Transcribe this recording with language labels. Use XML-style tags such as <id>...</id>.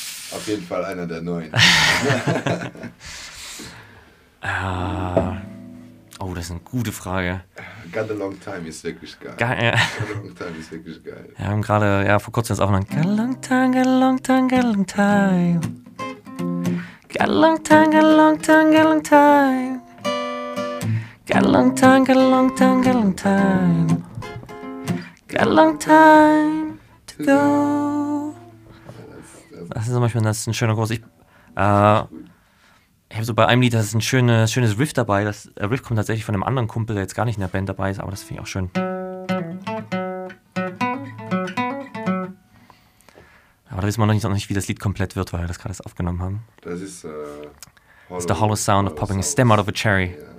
<de>Auf jeden Fall einer der neuen. Oh, das ist eine gute Frage. Got a long time ist wirklich geil.</de> <en>Got a long time ist wirklich geil. Wir haben gerade, vor kurzem jetzt auch noch Got a long time, got a long time, got a long time. Got a long time, got a long time, got a long time. Got a long time, got a long time, got a long time. Got a long time to go.</en> <de>Das ist zum Beispiel, das ist ein schöner Kurs. Ich habe so bei einem Lied, das ist ein schönes Riff dabei. Das Riff kommt tatsächlich von einem anderen Kumpel, der jetzt gar nicht in der Band dabei ist, aber das finde ich auch schön. Aber da wissen wir noch nicht, wie das Lied komplett wird, weil wir das gerade erst aufgenommen haben. Das ist</de> <en>It's the hollow sound of popping a stem out of a cherry.</en>